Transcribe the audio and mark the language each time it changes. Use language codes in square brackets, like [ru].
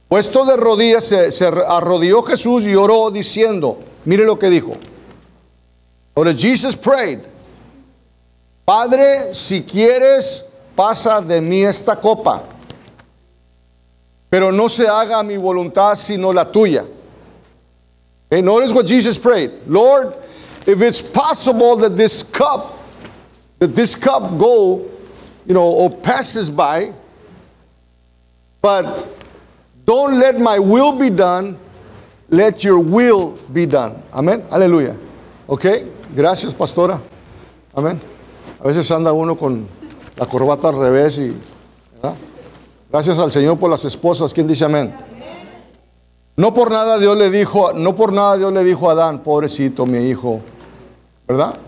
[es] Puesto de rodillas, se arrodilló Jesús y oró diciendo, mire lo que dijo. Ahora, [en] Jesus prayed. [es] Padre, si quieres, pasa de mí esta copa, pero no se haga mi voluntad sino la tuya. [en] Okay, notice what Jesus prayed. Lord, if it's possible that this cup go, you know, or passes by, but don't let my will be done, let your will be done. [es] Amén. Aleluya. Okay. Gracias, pastora. Amén. A veces anda uno con la corbata al revés y, ¿verdad? Gracias al Señor por las esposas. ¿Quién dice amén? No por nada Dios le dijo, a Adán: pobrecito mi hijo, ¿verdad?